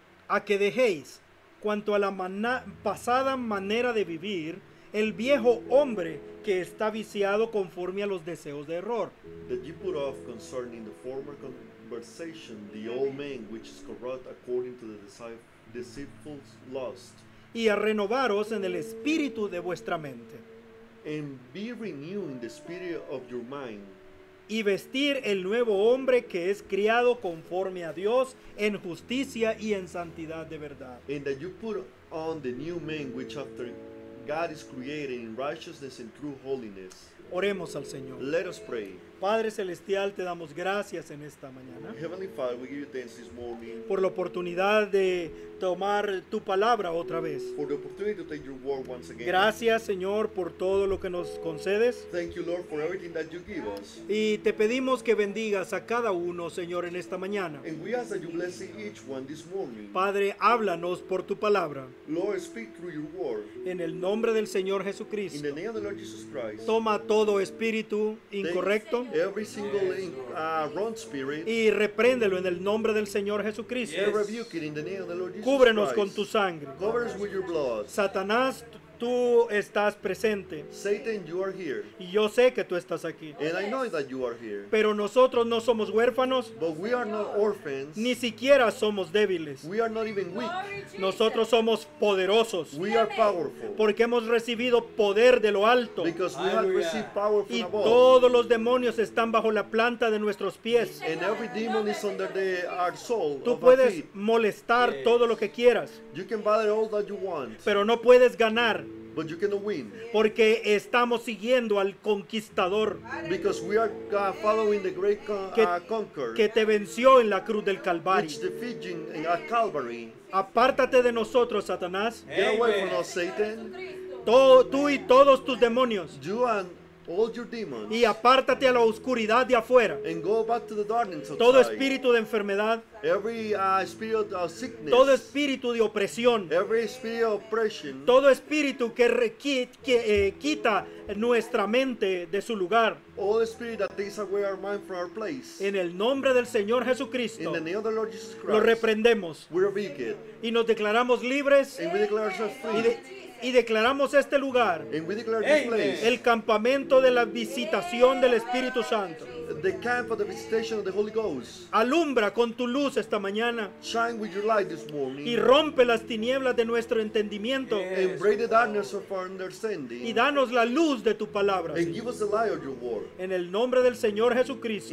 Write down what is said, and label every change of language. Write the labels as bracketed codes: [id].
[es] A que dejéis, cuanto a la pasada manera de vivir, el viejo hombre que está viciado conforme a los deseos de error. [en] That you put off concerning the former conversation, the old man which is corrupt according to the deceitful lust. [es] Y a renovaros en el espíritu de vuestra mente. [en] And be renewed in the spirit of your mind. [es] y vestir el nuevo hombre que es criado conforme a Dios en justicia y en santidad de verdad. [en] And that you put on the new man which after God is created in righteousness and true holiness. [es] Oremos al Señor. [en] Let us pray. [es] Padre Celestial, te damos gracias en esta mañana. [en] Heavenly Father, we give you thanks this morning. [es] Por la oportunidad de tomar tu palabra otra vez. [en] For the opportunity to take your word once again. [es] Gracias, Señor, por todo lo que nos concedes. [en] Thank you, Lord, for everything that you give us. [es] Y te pedimos que bendigas a cada uno, Señor, en esta mañana. [en] And we ask that you bless each one this morning. [es] Padre, háblanos por tu palabra. [en] Lord, speak through your word. [es] En el nombre del Señor Jesucristo. [en] In the name of the Lord Jesus Christ. [es] Toma todo espíritu incorrecto. [en] Every single wrong spirit, [es] y repréndelo en el nombre del Señor Jesucristo. [en] Yes. [es] Cúbrenos con tu sangre. [en] Covers with your blood. [es] Satanás, tú estás presente. [en] Satan, you are here. [es] Y yo sé que tú estás aquí. [en] And I know that you are here. [es] Pero nosotros no somos huérfanos. [en] But we are not orphans. [es] Ni siquiera somos débiles. [en] We are not even weak. [es] Nosotros somos poderosos. [en] We are powerful. [es] Porque hemos recibido poder de lo alto. [en] Because we have received power from [es] y [en] above. [es] Todos los demonios están bajo la planta de nuestros pies. [en] And every demon is under the, our soul. [es] Tú puedes molestar todo lo que quieras. [en] You can bother all that you want. [es] Pero no puedes ganar. [en] But you cannot win. [es] Porque estamos siguiendo al conquistador. [en] Because we are following the great conqueror. [es] Que te venció en la cruz del Calvario. [en] Which defeated you in a Calvary. [es] Apártate de nosotros, Satanás. [en] Get away from us, Satan. [es] Tú y todos tus demonios. [en] You and all your demons. [es] Y apártate a la oscuridad de afuera. [en] And go back to the darkness outside. [es] Todo espíritu de enfermedad. [en] Every spirit of sickness. [es] Todo espíritu de opresión. [en] Every spirit of oppression. [es] Todo espíritu que quita nuestra mente de su lugar. [en] All spirit that takes away our mind from our place. [es] En el nombre del Señor Jesucristo. [en] In the name of the Lord Jesus Christ. [es] Lo reprendemos. [en] We rebuke it. [es] Y nos declaramos libres. [en] And we declare ourselves free. [es] Y declaramos este lugar, [en] and we declare this place, [es] el campamento de la visitación del Espíritu Santo. [en] The camp of the visitation of the Holy Ghost. [es] Alumbra con tu luz esta mañana. [en] Shine with your light this morning. [es] Y rompe las tinieblas de nuestro entendimiento. [en] Yes. And break the darkness of our understanding. [es] Y danos la luz de tu palabra. [en] And give us the light of your word. [es] En el nombre del Señor Jesucristo.